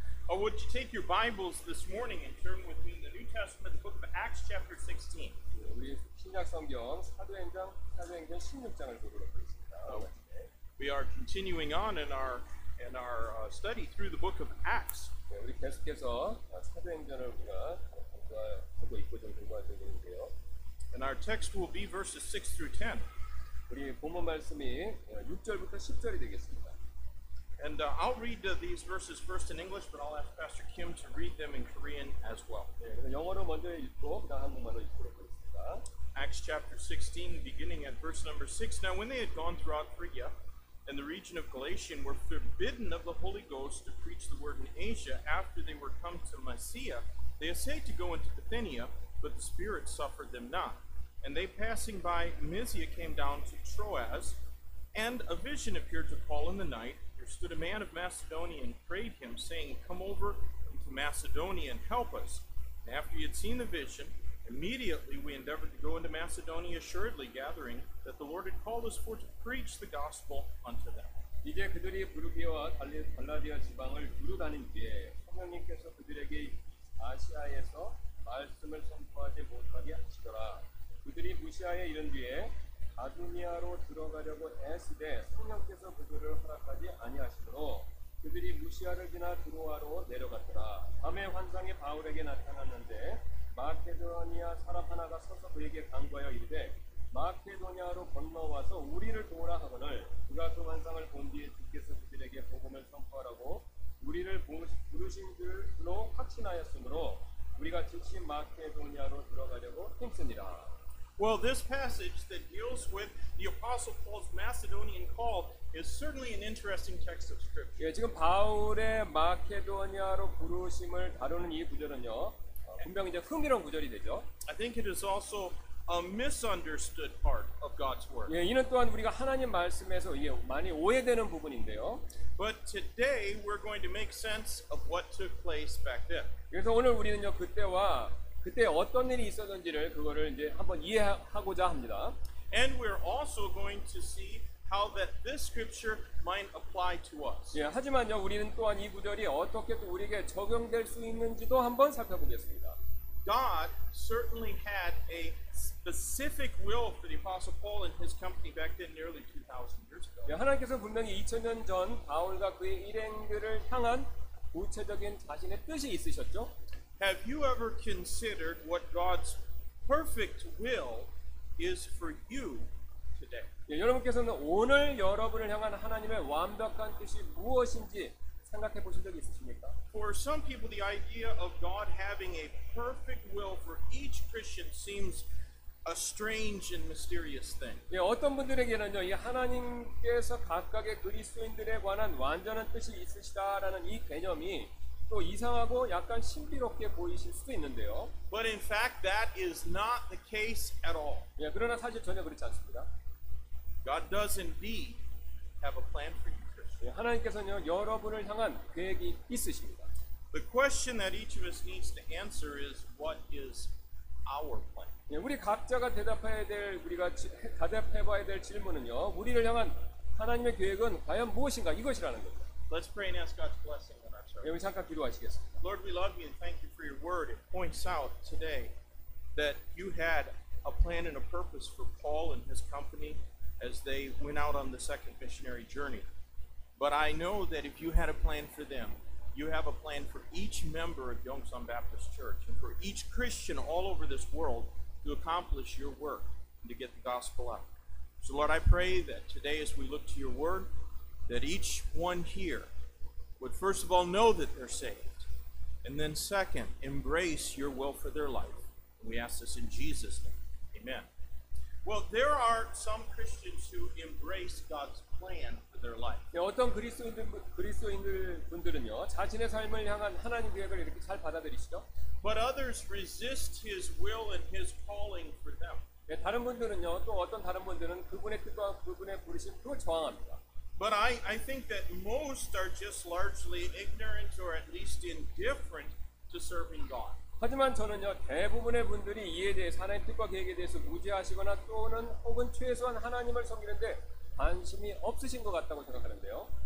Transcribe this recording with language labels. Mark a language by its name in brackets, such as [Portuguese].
[English] Oh, would you take your Bibles this morning and turn with me in the New Testament, the book of Acts, chapter 16. [Korean] 우리 신약 성경 사도행전 16장을 보도록 하겠습니다. [English] We are continuing on in our study through the book of Acts. [Korean] 우리 계속해서 사도행전을 우리가 하고 있고 좀 공부하고 있는데요. [English] And our text will be verses 6 through 10. [Korean] 우리 본문 말씀이 6절부터 10절이 되겠습니다. [English] And I'll read these verses first in English, but I'll ask Pastor Kim to read them in Korean as well. [Korean] 네, 영어로 먼저 읽고 그다음 한국말로 읽도록 하겠습니다. [English] Acts chapter 16, beginning at verse number 6. Now when they had gone throughout Phrygia and the region of Galatia, were forbidden of the Holy Ghost to preach the word in Asia, after they were come to Mysia, they essayed to go into Bithynia, but the Spirit suffered them not. And they, passing by Mysia, came down to Troas, and a vision appeared to Paul in the night. Stood a man of Macedonia and prayed him, saying, Come over into Macedonia and help us. And after he had seen the vision, immediately we endeavored to go into Macedonia, assuredly gathering that the Lord had called us for to preach the gospel unto them. [Korean] 이제 그들이 부르기와 갈라디아 지방을 두루 다닌 뒤에 성령님께서 그들에게 아시아에서 말씀을 선포하지 못하게 하시더라. 그들이 무시하에 이른 뒤에 아두니아로 들어가려고 애쓰되 성령께서 그들을 허락하지 아니하시므로 그들이 무시아를 지나 드로아로 내려갔더라. 밤에 환상이 바울에게 나타났는데 마케도니아 사람 하나가 서서 그에게 간구하여 이르되 마케도니아로 건너와서 우리를 도우라 하거늘 그가 그 환상을 본 뒤에 주께서 그들에게 복음을 선포하라고 우리를 부르신 줄로 확신하였으므로 우리가 즉시 마케도니아로 들어가려고 힘쓰니라. [English] Well, this passage that deals with the Apostle Paul's Macedonian call is certainly an interesting text of Scripture. [Korean] 예, 지금 바울의 마케도니아로 부르심을 다루는 이 구절은요, 분명히 이제 흥미로운 구절이 되죠. [English] I think it is also a misunderstood part of God's Word. [Korean] 예, 이는 또한 우리가 하나님 말씀에서 이게 많이 오해되는 부분인데요. [English] But today we're going to make sense of what took place back then. [Korean] 그래서 오늘 우리는요, 그때 어떤 일이 있었는지를 그거를 이제 한번 이해하고자 합니다. [English] And we're also going to see how that this scripture might apply to us. [Korean] 예, 하지만요, 우리는 또한 이 구절이 어떻게 또 우리에게 적용될 수 있는지도 한번 살펴보겠습니다. [English] God certainly had a specific will for the Apostle Paul and his company back then nearly 2000 years ago. [Korean] 예, 하나님께서 분명히 2000년 전 바울과 그의 일행들을 향한 구체적인 자신의 뜻이 있으셨죠? [English] Have you ever considered what God's perfect will is for you today? [Korean] 예, 여러분께서는 오늘 여러분을 향한 하나님의 완벽한 뜻이 무엇인지 생각해 보신 적 있으십니까? [English] For some people, the idea of God having a perfect will for each Christian seems a strange and mysterious thing. [Korean] 예, 어떤 분들에게는요, 이 하나님께서 각각의 그리스도인들에 관한 완전한 뜻이 있으시다라는 이 개념이 또 이상하고 약간 신비롭게 보이실 수도 있는데요. [English] But in fact, that is not the case at all. [Korean] 예, 그러나 사실 전혀 그렇지 않습니다. [English] God does indeed have a plan for you, Christian. [Korean] 예, 하나님께서는요, 여러분을 향한 계획이 있으십니다. [English] The question that each of us needs to answer is, what is our plan? [Korean] 예, 우리 각자가 대답해봐야 될 질문은요, 우리를 향한 하나님의 계획은 과연 무엇인가 이것이라는 겁니다. [English] Let's pray and ask God's blessing. [Korean] 예, 우리 잠깐 기도하시겠습니다. [English] Lord, we love you and thank you for your word. It points out today that you had a plan and a purpose for Paul and his company as they went out on the second missionary journey. But I know that if you had a plan for them, you have a plan for each member of Yongsan Baptist Church and for each Christian all over this world to accomplish your work and to get the gospel out. So Lord, I pray that today as we look to your word, that each one here would first of all know that they're saved, and then second, embrace your will for their life. And we ask this in Jesus' name. Amen. Well, there are some Christians who embrace God's plan for their life. [Korean] 네, 어떤 그리스도인들은요, 자신의 삶을 향한 하나님 계획을 이렇게 잘 받아들이시죠. [English] But others resist His will and His calling for them. [Korean] 네, 다른 분들은요, 또 어떤 다른 분들은 그분의 뜻과 그분의 부르심 그걸 저항합니다. [English] But I think that most are just largely ignorant or at least indifferent to serving God. [Korean] 하지만 저는요 대부분의 분들이 이에 대해서 하나님 뜻과 계획에 대해서 무지하시거나 또는 혹은 최소한 하나님을 섬기는데 관심이 없으신 것 같다고 생각하는데요.